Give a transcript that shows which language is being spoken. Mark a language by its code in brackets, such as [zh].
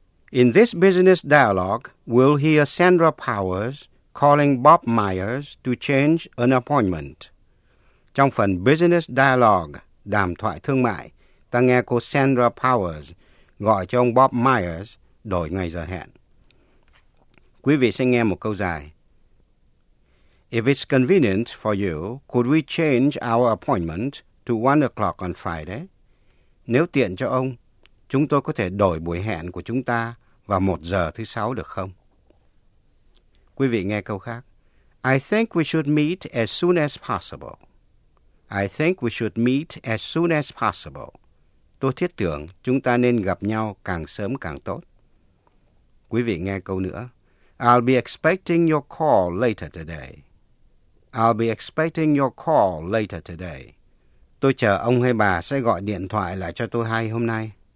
[en] In this business dialogue, we'll hear Sandra Powers calling Bob Myers to change an appointment. [vi] Trong phần business dialogue, đàm thoại thương mại, ta nghe cô Sandra Powers gọi cho ông Bob Myers đổi ngày giờ hẹn. Quý vị sẽ nghe một câu dài. [en] If it's convenient for you, could we change our appointment to 1 o'clock on Friday? [vi] Nếu tiện cho ông, chúng tôi có thể đổi buổi hẹn của chúng ta vào 1 giờ thứ sáu được không? Quý vị nghe câu khác. [en] I think we should meet as soon as possible. I think we should meet as soon as possible. [vi] Tôi thiết tưởng chúng ta nên gặp nhau càng sớm càng tốt. Quý vị nghe câu nữa. [en] I'll be expecting your call later today. I'll be expecting your call later today. [vi] Tôi chờ ông hay bà sẽ gọi điện thoại lại cho tôi hay hôm nay.